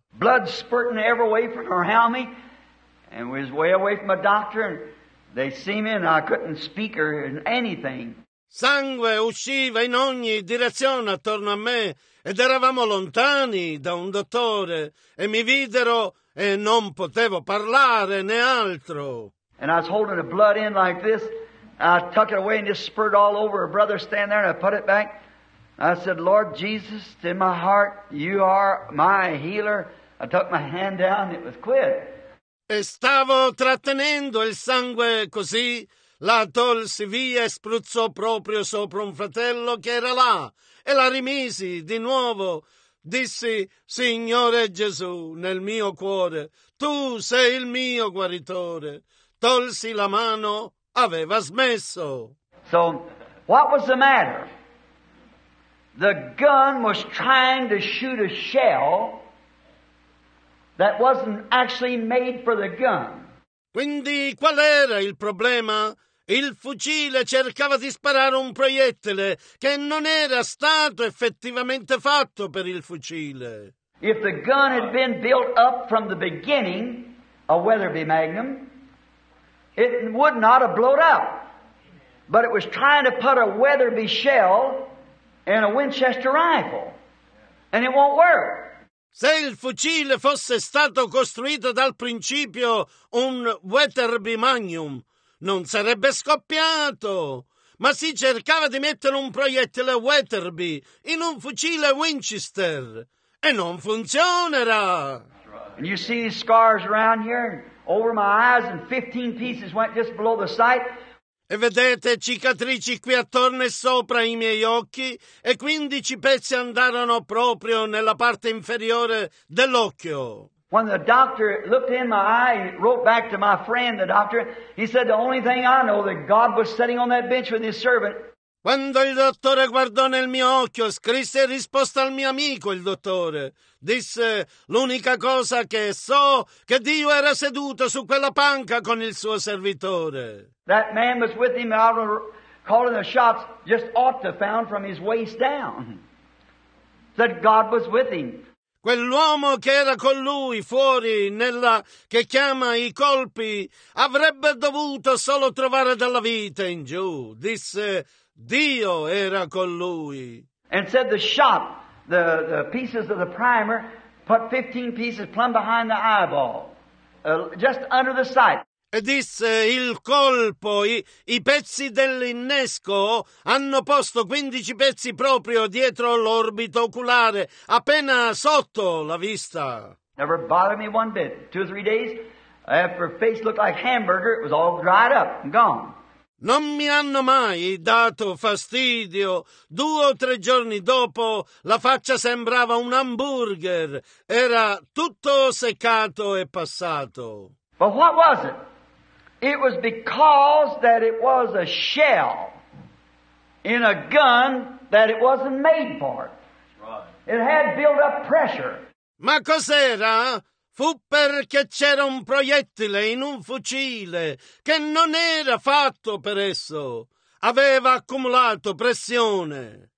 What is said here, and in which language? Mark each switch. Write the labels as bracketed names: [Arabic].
[English] Blood spurting every way from our helmet and was way away from a doctor and they see me and I couldn't speak or anything. [Italian] Sangue usciva in ogni direzione attorno a me ed eravamo lontani da un dottore e mi videro e non potevo parlare né altro. [English] And I was holding the blood in like this. I tuck it away and just spurred all over a brother stand there and I put it back. I said, Lord Jesus, in my heart, you are my healer. I took my hand down, it was quit. [Italian] E stavo trattenendo il sangue così. La tolsi via e spruzzò proprio sopra un fratello che era là e la rimisi di nuovo. Dissi, Signore Gesù, nel mio cuore, tu sei il mio guaritore. Tolsi la mano, aveva smesso. [English] So, what was the matter? The gun was trying to shoot a shell that wasn't actually made for the gun. [Italian] Quindi, qual era il problema? Il fucile cercava di sparare un proiettile che non era stato effettivamente fatto per il fucile. [English] If the gun had been built up from the beginning, a Weatherby Magnum, it would not have blown up. But it was trying to put a Weatherby shell in a Winchester rifle, and it won't work. [Italian] Se il fucile fosse stato costruito dal principio un Weatherby Magnum, non sarebbe scoppiato, ma si cercava di mettere un proiettile Weatherby in un fucile Winchester e non funzionerà. [English] And you see these scars around here over my eyes and 15 pieces went just below the sight. [Italian] E vedete cicatrici qui attorno e sopra i miei occhi e 15 pezzi andarono proprio nella parte inferiore dell'occhio. [English] When the doctor looked in my eye, he wrote back to my friend, the doctor, he said, the only thing I know that God was sitting on that bench with his servant. [Italian] Quando il dottore guardò nel mio occhio, scrisse risposta al mio amico, il dottore. Disse, l'unica cosa che so, che Dio era seduto su quella panca con il suo servitore. [English] That man was with him, out calling the shots, just ought to found from his waist down. Said God was with him. [Italian] quell'uomo che era con lui fuori nella che chiama i colpi avrebbe dovuto solo trovare dalla vita in giù. Disse Dio era con lui. [English] And said the shot, the pieces of the primer, put 15 pieces plumb behind the eyeball, just under the sight. [Italian] E disse il colpo, i pezzi dell'innesco hanno posto 15 pezzi proprio dietro l'orbito oculare, appena sotto la vista. [English] Never bothered me one bit. Two or three days, after her face looked like hamburger, it was all dried up and gone. [Italian] Non mi hanno mai dato fastidio. Due o tre giorni dopo la faccia sembrava un hamburger. Era tutto seccato e passato. [English] But what was it? It was because that it was a shell in a gun that it wasn't made for. It had built up pressure. [Italian] Ma cos'era? Fu perché c'era un proiettile in un fucile che non era fatto per esso. Aveva accumulato pressione.